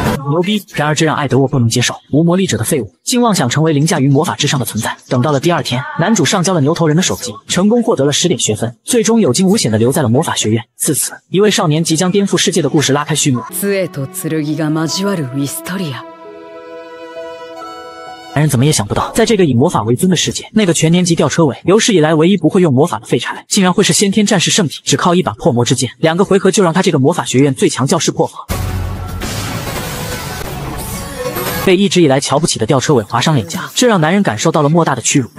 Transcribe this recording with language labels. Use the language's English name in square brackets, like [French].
[Chinese] 牛逼！然而这让艾德沃不能接受，无魔力者的废物竟妄想成为凌驾于魔法之上的存在。等到了第二天，男主上交了牛头人的手机，成功获得了10点学分，最终有惊无险地留在了魔法学院。自此，一位少年即将颠覆世界的故事拉开序幕。 [Japanese] 杖と剣が交わるウィストリア。 [Chinese] 男人怎么也想不到，在这个以魔法为尊的世界，那个全年级吊车尾有史以来唯一不会用魔法的废柴，竟然会是先天战士圣体，只靠一把破魔之剑，两个回合就让他这个魔法学院最强教士破防。被一直以来瞧不起的吊车尾划伤脸颊，这让男人感受到了莫大的屈辱。